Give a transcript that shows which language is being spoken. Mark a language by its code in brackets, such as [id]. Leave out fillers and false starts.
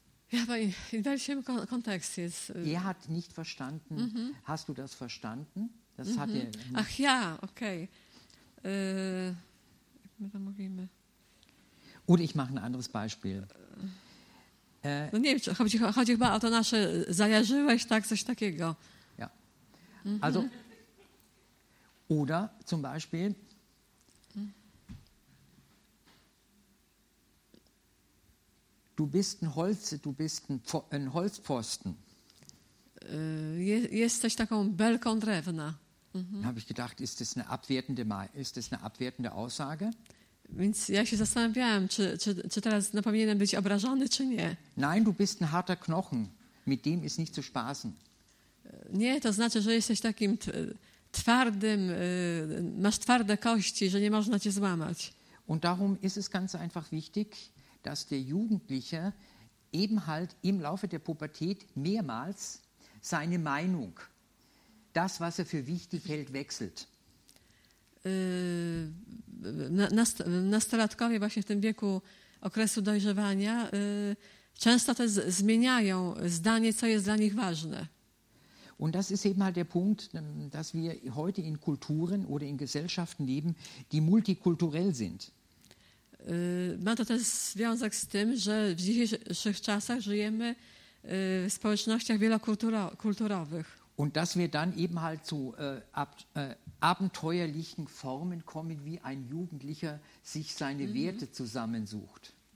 [de] Ja, aber in welchem Kontext jetzt? Er hat nicht verstanden. Mhm. Hast du das verstanden? Das hat er nicht. Ach ja, okay. Oder ich mache ein anderes Beispiel. [pl] No nie wiem, chodzi chyba o to nasze zajarzyłeś, tak, coś takiego. [de] Ja. Mhm. Also, oder zum Beispiel, du bist ein Holz, du bist ein Holzpfosten. [pl] Jesteś taką belką drewna. Mhm. [de] Habe ich gedacht, ist das eine abwertende Aussage? [pl] Więc ja się zastanawiałem, czy teraz no, powinienem być obrażony, czy nie. [de] Nein, du bist ein harter Knochen. Mit dem ist nicht zu spaßen. [pl] Nie, to znaczy, że jesteś takim twardym, masz twarde kości, że nie można cię złamać. [de] Und darum ist es ganz einfach wichtig, dass der Jugendliche eben halt im Laufe der Pubertät mehrmals seine Meinung, das, was er für wichtig hält, wechselt. [pl] Nastolatkowie właśnie w tym wieku okresu dojrzewania często też zmieniają zdanie, co jest dla nich ważne. [de] Und das ist eben halt der Punkt, dass wir heute in Kulturen oder in Gesellschaften leben, die multikulturell sind. [pl] Ma to też związek z tym, że w dzisiejszych czasach żyjemy w społecznościach wielokulturowych. [de] Und dass wir dann eben halt zu abenteuerlichen Formen kommen, wie ein Jugendlicher sich seine Werte zusammensucht.